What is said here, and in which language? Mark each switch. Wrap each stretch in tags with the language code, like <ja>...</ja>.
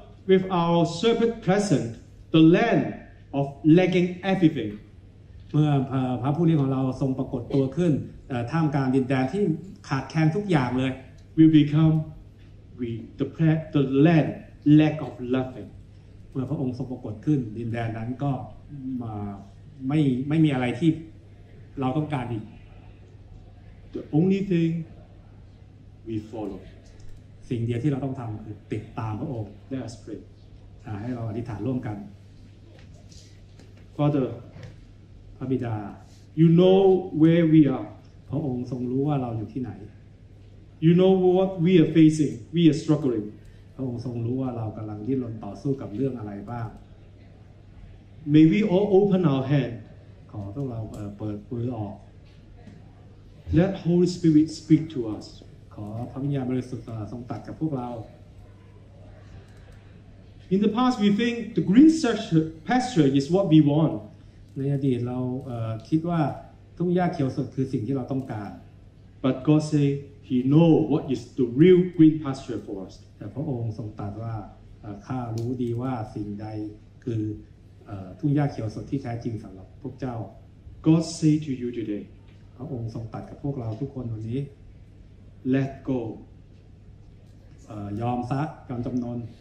<en>with our shepherd present the land of lacking everything</en> <th>เมื่อพระผู้เลี้ยงของเราทรงปรากฏตัวขึ้นท่ามกลางดินแดนที่ขาดแคลนทุกอย่างเลย</th> <en>will become we the land lack of nothing</en> <th>เมื่อพระองค์ทรงปรากฏขึ้นดินแดนนั้นก็มาไม่มีอะไรที่เราต้องการอีก</th> <en>the only thing we follow</en> <th>สิ่งเดียวที่เราต้องทำคือติดตามพระองค์</th> <en>let us pray</en> <th>ให้เราอธิษฐานร่วมกัน</th> <en>Father</en> <th>พระบิดา</th> <en>you know where we are</en> <th>พระองค์ทรงรู้ว่าเราอยู่ที่ไหน</th> <en>You know what we are facing, we are struggling.</en> <th>พระองค์ทรงรู้ว่าเรากำลังดิ้นรนต่อสู้กับเรื่องอะไรบ้าง</th> <en>May we all open our hand.</en> <th>ขอพวกเราเปิดมือออก</th> <en>Let Holy Spirit speak to us.</en> <th>ขอพระวิญญาณบริสุทธิ์ทรงตรัสกับพวกเรา</th> <en>In the past, we think the green pasture is what we want.</en> <th>ในอดีตเราคิดว่าทุ่งหญ้าเขียวสดคือสิ่งที่เราต้องการ</th> <en>But God say He know what is the real green pasture for us</en> <th>แต่พระองค์ทรงตรัสว่าข้ารู้ดีว่าสิ่งใดคือทุ่งหญ้าเขียวสดที่แท้จริงสำหรับพวกเจ้า</th> <en>God say to you today</en> <th>พระองค์ทรงตรัสกับพวกเราทุกคนวันนี้</th> <en>Let go</en> <th>ยอมซะยอมจำนน</th>